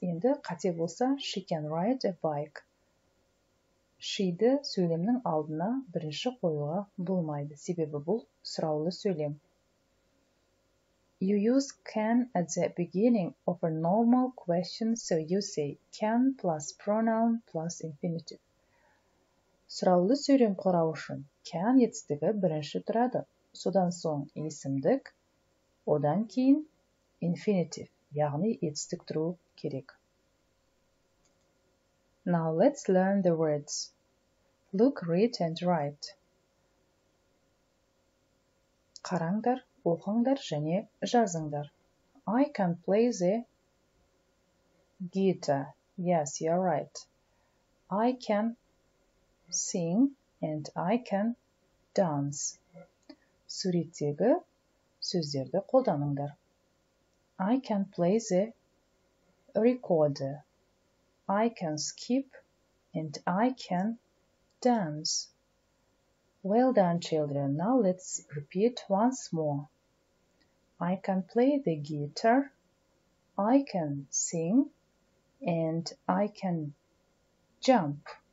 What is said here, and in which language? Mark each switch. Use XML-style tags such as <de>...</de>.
<kk>Енді қате болса,</kk> <en>she can ride a bike.</en> <kk>She-ді сөйлемнің алдына бірінші қоюға болмайды. Себебі бұл сұраулы сөйлем.</kk> <en>You use can at the beginning of a normal question, so you say can plus pronoun plus infinitive.</en> <kk>Сұраулы сөйлем құрау үшін can етістігі бірінші тұрады. Содан соң есімдік, одан кейін infinitive, яғни етістік тұру керек.</kk> <en>Now let's learn the words. Look, read and write.</en> <kk>Қараңдар. Оқыңдар және жазыңдар.</kk> <en>I can play the guitar. Yes, you're right. I can sing and I can dance.</en> <kk>Суреттегі сөздерді қолданыңдар.</kk> <en>I can play the recorder. I can skip and I can dance. Well done, children. Now let's repeat once more. I can play the guitar, I can sing, and I can jump.</en>